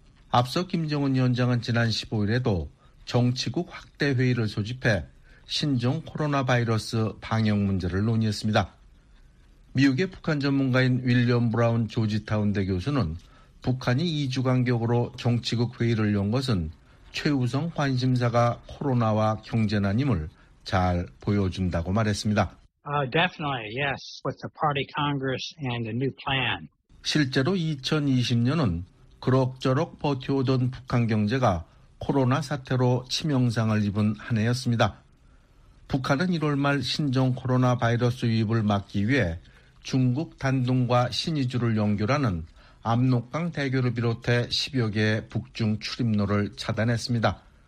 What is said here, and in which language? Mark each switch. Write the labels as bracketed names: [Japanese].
[Korean] 앞서 김정은 위원장은 지난 15일에도 정치국 확대 회의를 소집해 신종 코로나 바이러스 방역 문제를 논의했습니다. 미국의 북한 전문가인 윌리엄 브라운 조지타운 대교수는 북한이 2주간 격으로 정치국 회의를 연 것은 최우선 관심사가 코로나와 경제난임을 잘 보여준다고 말했습니다. [English] Definitely, yes. With the party congress and a new plan. [Korean] 실제로 2020년은 그럭저럭 버텨오던 북한 경제가 코로나 사태로 치명상을 입은 한 해였습니다. 북한은 1월 말 신종 코로나 바이러스 유입을 막기 위해 중국 단둥과 신의주를 연결하는 압록강 대교를 비롯해 10여 개의 북중 출입로를 차단했습니다.